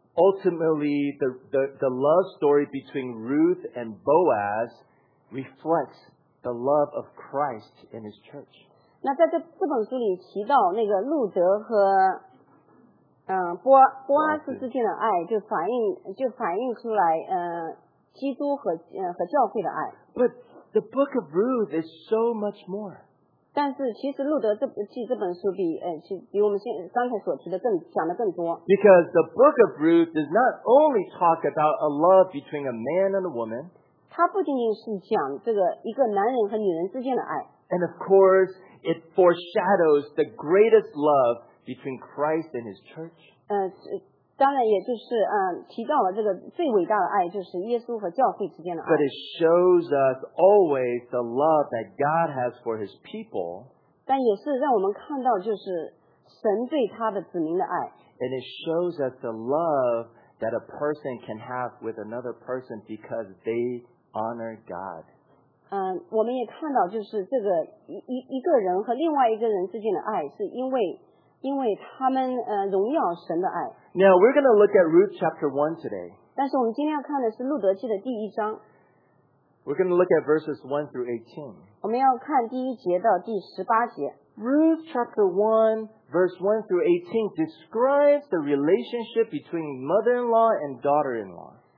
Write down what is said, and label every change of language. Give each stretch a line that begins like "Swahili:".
English: Ultimately, the love story between Ruth and Boaz reflects the love of Christ in his church.
Chinese: 那在这本书里提到那个路德和波阿斯之间的爱就反映出来基督和教会的爱。
English: But the book of Ruth is so much more.
Chinese: 但是其实路德记这本书比我们刚才所提的讲的更多。
English: Because the book of Ruth does not only talk about a love between a man and a woman.
Chinese: 它不仅仅是讲这个一个男人和女人之间的爱。
English: And of course, it foreshadows the greatest love between Christ and his church.
Chinese: 当然也就是提到了这个最伟大的爱就是耶稣和教会之间的爱。
English: But it shows us always the love that God has for his people.
Chinese: 但也是让我们看到就是神对他的子民的爱。
English: And it shows us the love that a person can have with another person because they honor God.
Chinese: 我们也看到就是这个一个人和另外一个人之间的爱是因为他们荣耀神的爱。
English: Now we're going to look at Ruth chapter 1 today.
Chinese: 但是我们今天要看的是路德记的第一章。
English: We're going to look at verses 1 through 18.
Chinese: 我们要看第一节到第十八节。
English: Ruth chapter 1 verse 1 through 18 describes the relationship between mother-in-law and daughter-in-law.